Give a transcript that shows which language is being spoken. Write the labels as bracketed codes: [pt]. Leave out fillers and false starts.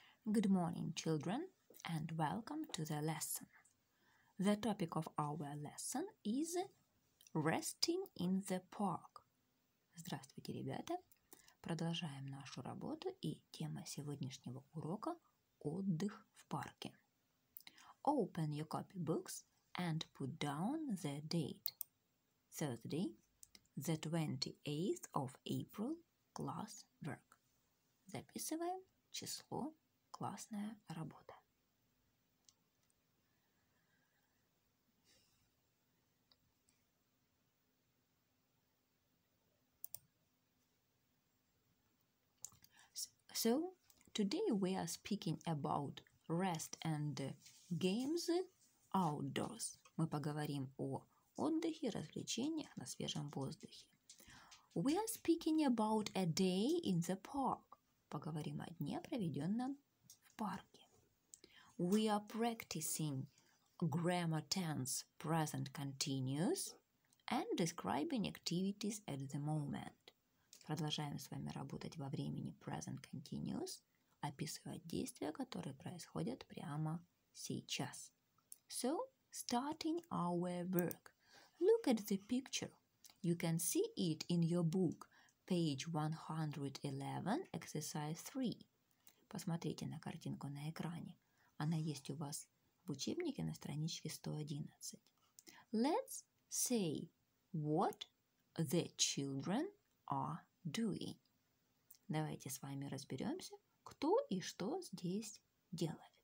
[en] Good morning, children, and welcome to the lesson. The topic of our lesson is resting in the park. [ru] Здравствуйте, ребята! Продолжаем нашу работу, и тема сегодняшнего урока – отдых в парке. [en] Open your copy books and put down the date. Thursday, the 28th of April, class work. [ru] Записываем число. Классная работа. [en] So, today we are speaking about rest and games outdoors. [ru] Мы поговорим о отдыхе, развлечениях на свежем воздухе. [en] We are speaking about a day in the park. [ru] Поговорим о дне, проведенном парке. [en] We are practicing grammar tense present continuous and describing activities at the moment. [ru] Продолжаем с вами работать во времени present continuous, описывать действия, которые происходят прямо сейчас. [en] So, starting our work. Look at the picture. You can see it in your book, page 111, exercise 3. [ru] Посмотрите на картинку на экране. Она есть у вас в учебнике на страничке 111. [en] Let's say what the children are doing. [ru] Давайте с вами разберемся, кто и что здесь делает.